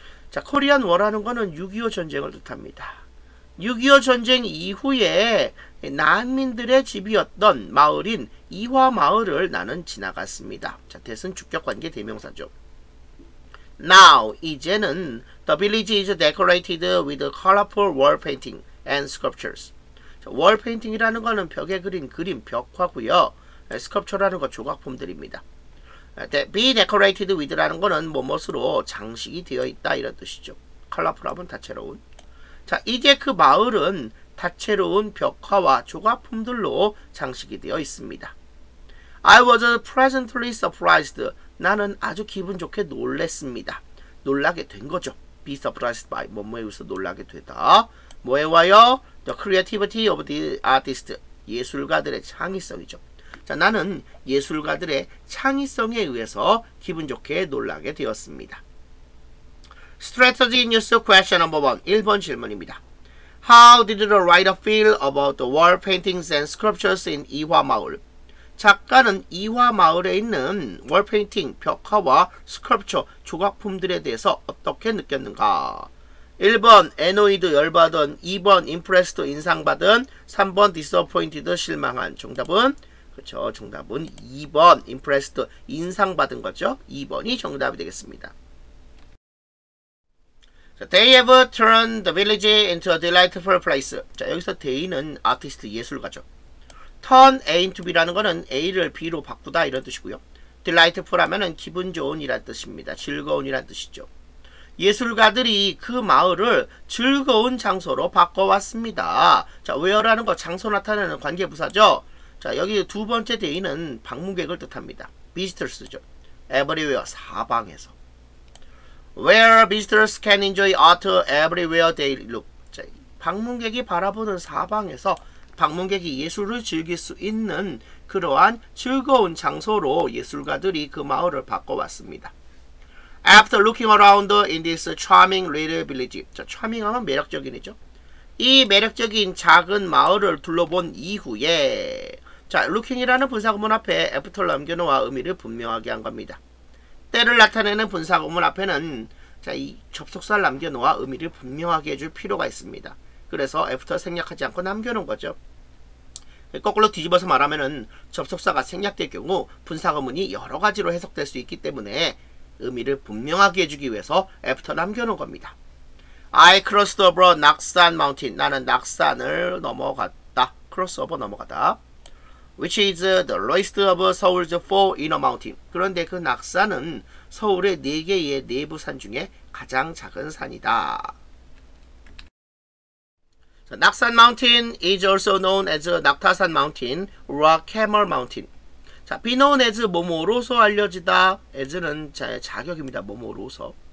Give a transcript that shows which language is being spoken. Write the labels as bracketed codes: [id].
[ko] 자, 코리안 워라는 거는 6.25 전쟁을 뜻합니다. 6.25 전쟁 이후에 난민들의 집이었던 마을인 이화 마을을 나는 지나갔습니다. 자, 대신 주격 관계 대명사죠. [en] Now, [ko] 이제는 [en] the village is decorated with colorful wall painting and sculptures. [ko] 자, wall painting이라는 거는 벽에 그린 그림, 벽화고요. sculpture라는 거 조각품들입니다. Be decorated with라는 거는 무엇으로 장식이 되어 있다 이런 뜻이죠. 컬러풀하면 다채로운. 자, 이제 그 마을은 다채로운 벽화와 조각품들로 장식이 되어 있습니다. [en] I was pleasantly surprised. [ko] 나는 아주 기분 좋게 놀랬습니다. 놀라게 된 거죠. Be surprised by 뭐뭐에 의해서 놀라게 되다. 뭐에 와요? [en] The creativity of the artist. [ko] 예술가들의 창의성이죠. 자, 나는 예술가들의 창의성에 의해서 기분 좋게 놀라게 되었습니다. [en] Strategy News Question Number 1. [ko] 1번 질문입니다. [en] How did the writer feel about the wall paintings and sculptures in 이화마을? [ko] 작가는 이화마을에 있는 wall painting, 벽화와 sculpture, 조각품들에 대해서 어떻게 느꼈는가? 1번 annoyed 열받은, 2번 impressed 인상받은, 3번 disappointed 실망한. 정답은? 그렇죠. 정답은 2번 impressed 인상받은 거죠. 2번이 정답이 되겠습니다. [en] So they have turned the village into a delightful place. [ko] 자, 여기서 they는 아티스트 예술가죠. turn A into B라는 거는 A를 B로 바꾸다 이런 뜻이고요. delightful 하면은 기분 좋은 이란 뜻입니다. 즐거운 이란 뜻이죠. 예술가들이 그 마을을 즐거운 장소로 바꿔왔습니다. 자, where라는 거 장소 나타내는 관계부사죠. 자, 여기 두 번째 데이는 방문객을 뜻합니다. visitors죠. everywhere, 사방에서. [en] where visitors can enjoy art everywhere they look. [ko] 자, 방문객이 바라보는 사방에서 방문객이 예술을 즐길 수 있는 그러한 즐거운 장소로 예술가들이 그 마을을 바꿔왔습니다. [en] after looking around in this charming little village. [ko] 자, charming 하면 매력적인이죠. 이 매력적인 작은 마을을 둘러본 이후에, 자, looking이라는 분사구문 앞에 after 남겨놓아 의미를 분명하게 한 겁니다. 때를 나타내는 분사구문 앞에는, 자, 이 접속사를 남겨놓아 의미를 분명하게 해줄 필요가 있습니다. 그래서 after 생략하지 않고 남겨놓은 거죠. 거꾸로 뒤집어서 말하면은 접속사가 생략될 경우 분사구문이 여러 가지로 해석될 수 있기 때문에 의미를 분명하게 해주기 위해서 after 남겨놓은 겁니다. [en] I crossed over Naksan Mountain. [ko] 나는 낙산을 넘어갔다. cross over 넘어가다. [en] Which is the lowest of Seoul's four inner mountains. [ko] 그런데 그 낙산은 서울의 네 개의 내부 산 중에 가장 작은 산이다. [en] 자, 낙산 마운틴 is also known as 낙타산 마운틴 or camel mountain. [ko] 자, be known as 뭐뭐로서 알려지다. as는 자격입니다. 뭐뭐로서.